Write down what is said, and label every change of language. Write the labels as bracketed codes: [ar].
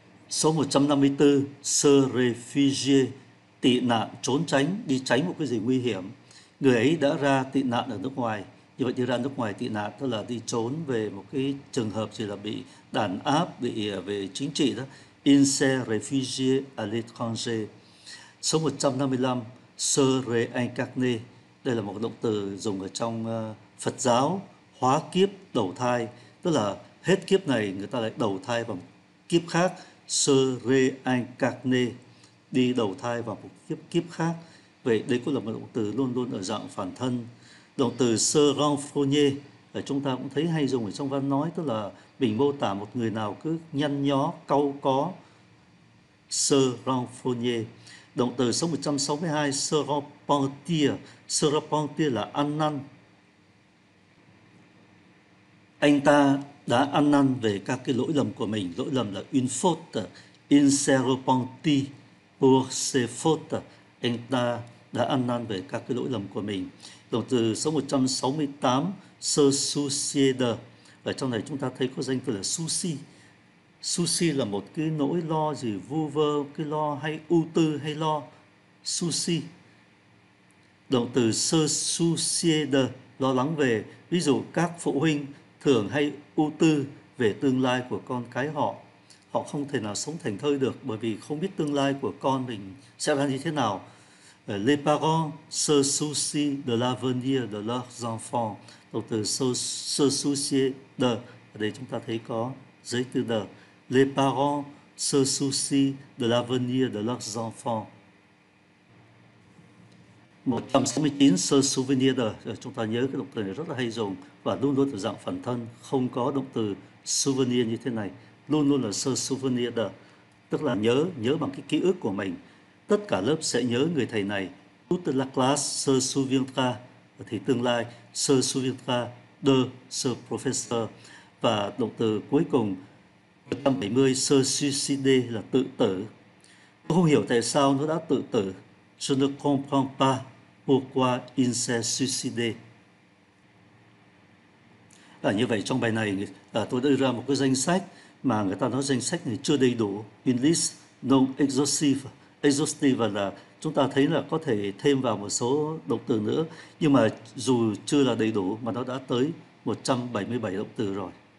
[vi] Số 154, se réfugier, tị nạn, trốn tránh, đi tránh một cái gì nguy hiểm. Người ấy đã ra tị nạn ở nước ngoài. Như vậy đi ra nước ngoài tị nạn tức là đi trốn về một cái trường hợp chỉ là bị đàn áp, bị về chính trị đó. [fr] Il s'est réfugié à l'étranger. Số 155, se réincarner. [vi] Đây là một động từ dùng ở trong Phật giáo, hóa kiếp, đầu thai. Tức là hết kiếp này người ta lại đầu thai vào một kiếp khác. Se réincarner, đi đầu thai vào một kiếp kiếp khác. Vậy đây cũng là một động từ luôn luôn ở dạng phản thân. Động từ se renfrogner ở chúng ta cũng thấy hay dùng ở trong văn nói, tức là mình mô tả một người nào cứ nhăn nhó, cau có. Se renfrogner. Động từ số 162, se repentir. Se repentir là ăn năn. Anh ta đã ăn năn về các cái lỗi lầm của mình. Lỗi lầm là une faute. [fr] Il s'est repenti pour ses fautes. [vi] Anh ta đã ăn năn về các cái lỗi lầm của mình. Động từ số 168, se soucier de. Ở trong này chúng ta thấy có danh từ là souci. Souci là một cái nỗi lo gì vu vơ, cái lo hay ưu tư hay lo. Souci. Động từ se soucier de, lo lắng về. Ví dụ các phụ huynh thường hay ưu tư về tương lai của con cái họ. Họ không thể nào sống thảnh thơi được bởi vì không biết tương lai của con mình sẽ ra như thế nào. [fr] Les parents se soucient de l'avenir de leurs enfants. [vi] Động từ se soucier de, ở đây chúng ta thấy có giới từ de. [fr] Les parents se soucient de l'avenir de leurs enfants. 169, se souvenir de. [vi] Chúng ta nhớ cái động từ này rất là hay dùng và luôn luôn ở dạng phần thân, không có động từ souvenir như thế này. Luôn luôn là se souvenir de, tức là nhớ, nhớ bằng cái ký ức của mình. Tất cả lớp sẽ nhớ người thầy này. [fr] Toute la classe se souviendra, [vi] thì tương lai [fr] se souviendra de ce professeur. [vi] Và động từ cuối cùng 170, se suicider là tự tử. Tôi không hiểu tại sao nó đã tự tử. [fr] Je ne comprends pas pourquoi il s'est suicidé. [vi] Như vậy trong bài này tôi đưa ra một cái danh sách mà người ta nói danh sách này chưa đầy đủ. [fr] Une liste non exhaustive. [vi] Exhaustive là chúng ta thấy là có thể thêm vào một số động từ nữa, nhưng mà dù chưa là đầy đủ mà nó đã tới 177 động từ rồi.